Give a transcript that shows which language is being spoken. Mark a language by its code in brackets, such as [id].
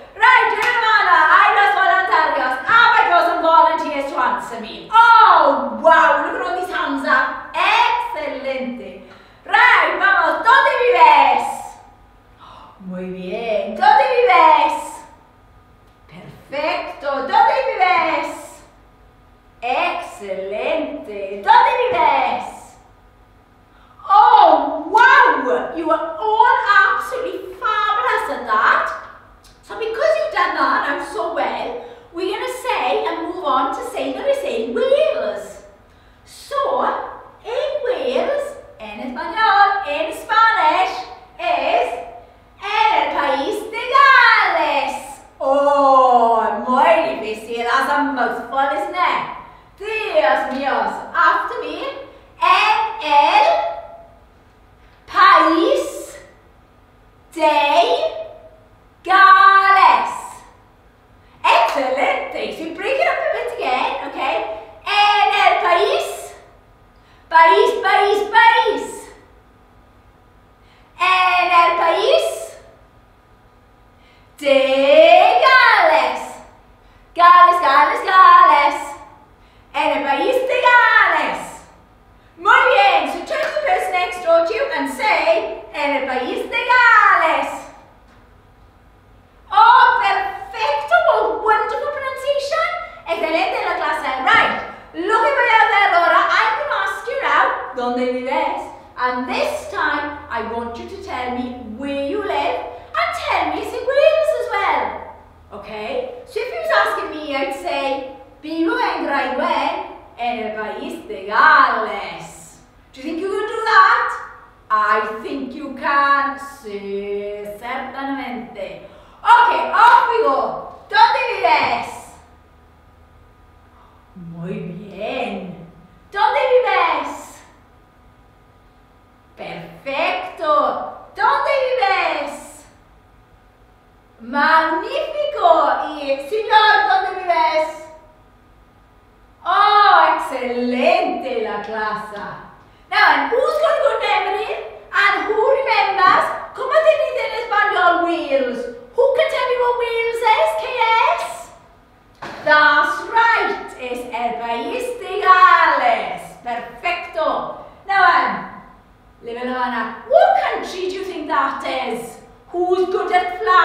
[es] Right, hermana, hay los voluntarios. [en] I've got some volunteers to answer me. Oh, wow, look at all these hands up. [es] Excelente. Right, vamos, ¿dónde vives? Muy bien, ¿dónde vives? Perfecto, ¿dónde vives? Excelente, ¿dónde vives? [en] Oh, wow, you are all absolutely fabulous at that. So because you've done that and so well, we're going to say and move on to say that it's in Wales. So, in Wales, en español, in Spanish, is [es] en el país de Gales. [en] Oh, [es] muy difícil, [en] that's a mouthful, isn't it? [es] Dios míos, [en] after me, [es] en el país de Gales. Excelente. [en] So break it up a bit again, okay? [es] En el país. País, país, país. En el país. De Gales. Gales, Gales, Gales. En el país de Gales. Muy bien. [en] So turn to the person next door to you and say, [es] en el país de Gales. [en] Oh, perfecto, wonderful pronunciation. [es] Excelente la clase. Right, lo que voy a hacer ahora, [en] I'm going to ask you now, [es] ¿dónde vives? [en] And this time, I want you to tell me where you live and tell me it's in Wales as well. Okay, so if he was asking me, I'd say, [es] vivo en Raigüen, en el país de Gales. [en] Do you think you can do that? I think you can, [es] sí, certamente. [en] Okay, off we go. [es] ¿Dónde vives? Muy bien. ¿Dónde vives? Perfecto. ¿Dónde vives? Magnífico. Y señor, ¿dónde vives? Oh, excelente la clase. [en] Now, who's got good memory? And who remembers? [es] ¿Cómo se dice en español, Wales? [en] Who can tell me what Wales is, KS? That's right, it's [es] el país de Gales. [en] Perfecto. Now, Livelana, what country do you think that is? Who's good at